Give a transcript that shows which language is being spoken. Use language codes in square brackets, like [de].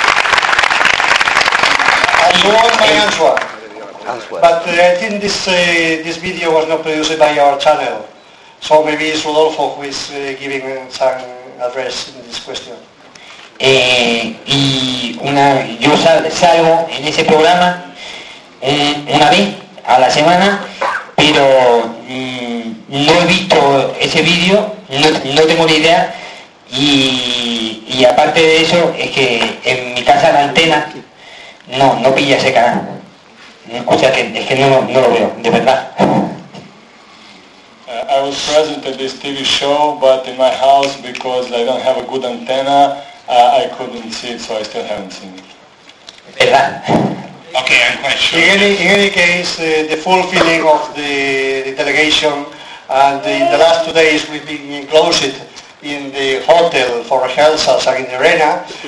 [en] I know my answer, but I think this video was not produced by our channel, so maybe it's Rodolfo who is giving some address in this question. [es] Y una, yo salgo en ese programa una vez a la semana, pero no he visto ese video, no tengo ni idea, y aparte de eso es que en mi casa la antena no pilla ese canal. O sea que es que no lo veo, de verdad. [en] I was present at this TV show, but in my house, because I don't have a good antenna, I couldn't see it, so I still haven't seen it. [es] ¿Verdad? [en] Okay, I'm quite sure. In any case, the full feeling of the delegation, and in the last 2 days we've been enclosed in the hotel for rehearsals and in the arena,